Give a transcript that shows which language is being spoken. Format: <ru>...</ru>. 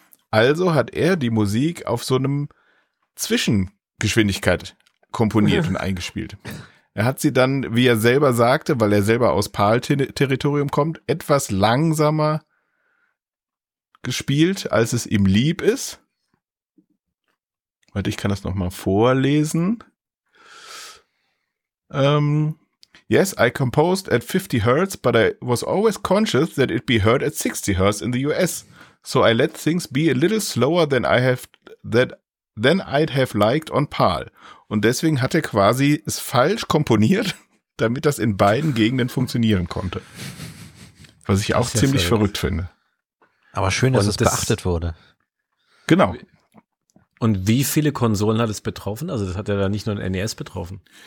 <de>Also hat er die Musik auf so einem Zwischengeschwindigkeit komponiert und eingespielt. Er hat sie dann, wie er selber sagte, weil er selber aus PAL-Territorium kommt, etwas langsamer gespielt, als es ihm lieb ist. Warte, ich kann das nochmal vorlesen.</de> <en>Yes, I composed at 50 Hertz, but I was always conscious that it'd be heard at 60 Hertz in the US. So I let things be a little slower than I'd have liked on PAL.</en> <de>Und deswegen hat er quasi es falsch komponiert, damit das in beiden Gegenden funktionieren konnte. Was ich auch ziemlich verrückt finde. Aber schön, dass es beachtet wurde. Genau. Und wie viele Konsolen hat es betroffen? Also das hat ja da nicht nur ein NES betroffen.</de>